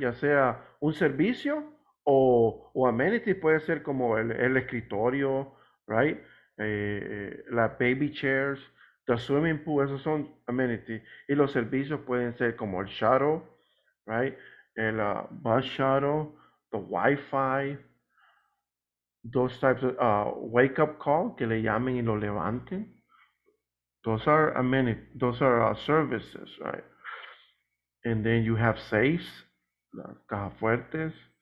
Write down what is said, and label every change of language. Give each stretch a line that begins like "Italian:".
Spanish: Ya sea un servicio o amenities, puede ser como el escritorio, right? La baby chairs,
English: the swimming pool,
Spanish: esos son amenities. Y los servicios pueden ser como el shuttle, right?
English: El bus shuttle, the wifi, those types of wake up call,
Spanish: que le llamen y lo levanten.
English: Those are amenities, those are services, right? And then you have safes,
Spanish: las cajas fuertes.